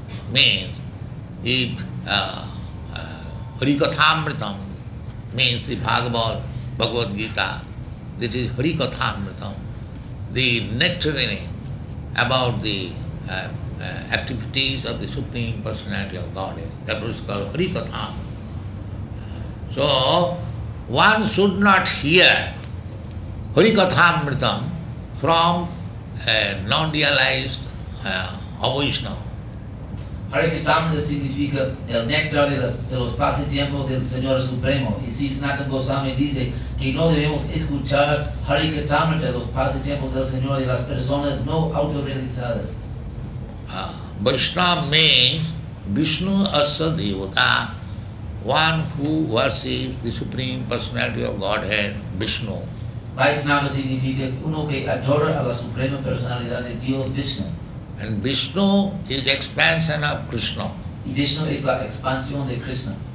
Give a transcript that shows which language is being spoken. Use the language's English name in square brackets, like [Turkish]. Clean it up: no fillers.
[English] Means, if Hari Katha Amritam, means the Bhagavad Gita, this is Hari Katha Amritam, the nectarining about the activities of the Supreme Personality of Godhead. That was called Hari Katha. So, one should not hear Hari Katha Amritam from a non-realized avaishnava. [Spanish] Hari Katha Amritam significa el néctar de los pasatiempos del Señor Supremo. Y si Sanatana Goswami dice que no debemos escuchar Hari Katha Amritam de los pasatiempos del Señor de las personas no autorrealizadas. [English] Vaishnava means Vishnu Asya Devata, one who worships the Supreme Personality of Godhead, Vishnu. [Spanish] Vaishnava significa uno que adora a la Suprema Personalidad de Dios, Vishnu. [English] And Vishnu is expansion of Krishna. [Spanish] Y Vishnu es la expansión de Krishna.